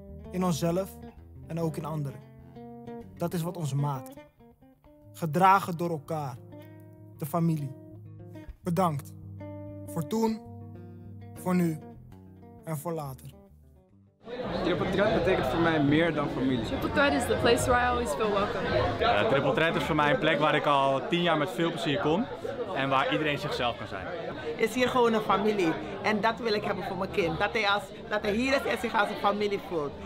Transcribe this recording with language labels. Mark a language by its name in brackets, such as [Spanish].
[Dutch] In onszelf en ook in anderen. Dat is wat ons maakt. Gedragen door elkaar. De familie. Bedankt. Voor toen, voor nu en voor later. Triple Threat betekent voor mij meer dan familie. [English] Triple Threat is the place where I always feel welcome. [Dutch] Triple Threat is voor mij een plek waar ik al 10 jaar met veel plezier kom. En waar iedereen zichzelf kan zijn. Is hier gewoon een familie. En dat wil ik hebben voor mijn kind. Dat hij hier is en zich als een familie voelt.